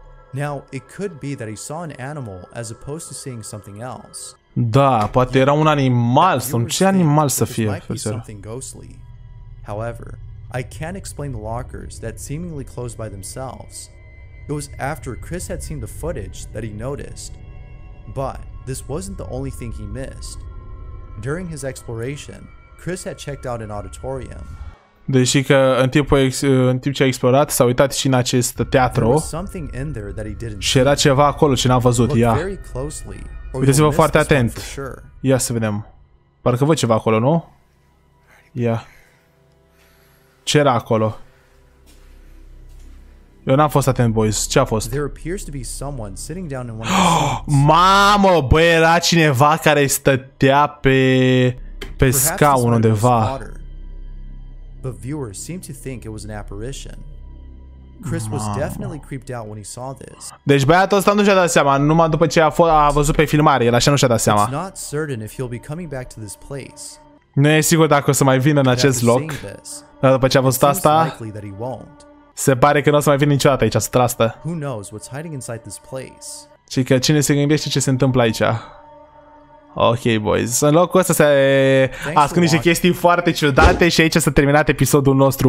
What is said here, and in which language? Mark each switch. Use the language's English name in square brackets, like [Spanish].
[English] Now, it could be that he saw an animal as opposed to seeing something else. [Romanian] Da, poate era un animal, sau ce animal să fie, frățiorul. [English] However, I can't explain the lockers that seemingly closed by themselves. It was after Chris had seen the footage that he noticed. But this wasn't the only thing he missed. During his exploration, Chris had checked out an auditorium. [Romanian] Deși că în timp ce a explorat, s-a uitat și în acest teatru. Și era ceva acolo ce n-a văzut, ia. Uitați-vă foarte atent. Ia să vedem. Parcă văd ceva acolo, nu? Ia. Ce era acolo? Eu n-am fost atent, boys. Ce a fost? [English] There appears to be someone sitting down in one of the seats. [Romanian] Mamă, bă, era cineva care stătea pe scaun undeva. [English] But viewers seem to think it was an apparition. Chris was definitely creeped out when he saw this. [Romanian] Deci băiatul ăsta nu și-a dat seama, numai după ce a văzut pe filmare, el așa nu și-a dat seama. [English] It's not certain if he'll be coming back to this place. [Romanian] Nu e sigur dacă o să mai vină în acest loc. Dar după ce a văzut asta, se pare că nu o să mai vină niciodată aici, să trastă. Și că cine se gândește ce se întâmplă aici? Ok, boys. În locul ăsta se ascund niște chestii foarte ciudate și aici s-a terminat episodul nostru.